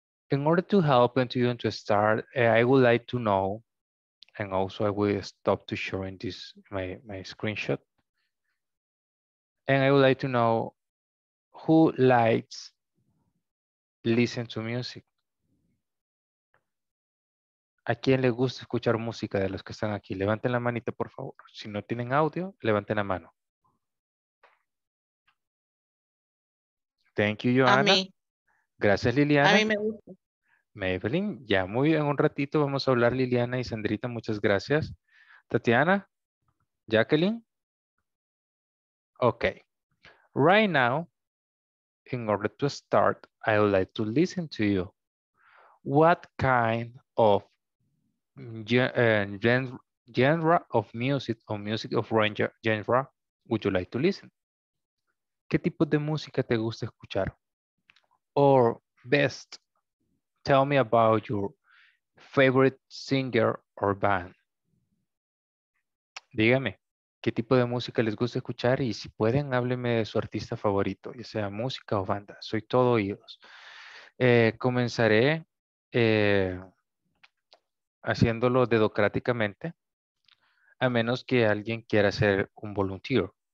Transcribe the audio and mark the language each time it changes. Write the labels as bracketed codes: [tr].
[en] In order to help and to you and to start, I would like to know. And also I will stop to sharing this, my screenshot. And I would like to know who likes listen to music. [es] ¿A quién le gusta escuchar música de los que están aquí? Levanten la manita, por favor. Si no tienen audio, levanten la mano. [en] Thank you, Joanna. [es] A mí. Gracias, Liliana. A mí me gusta. Maybelline, ya muy en un ratito vamos a hablar Liliana y Sandrita, muchas gracias. Tatiana, Jacqueline. [en] Okay, right now, in order to start, I would like to listen to you. What kind of genre of music or music of genre would you like to listen? [es] ¿Qué tipo de música te gusta escuchar? [en] Or best, tell me about your favorite singer or band. [es] Dígame, ¿qué tipo de música les gusta escuchar? Y si pueden, hábleme de su artista favorito, ya sea música o banda. Soy todo oídos. Comenzaré haciéndolo dedocráticamente, a menos que alguien quiera ser un volunteer.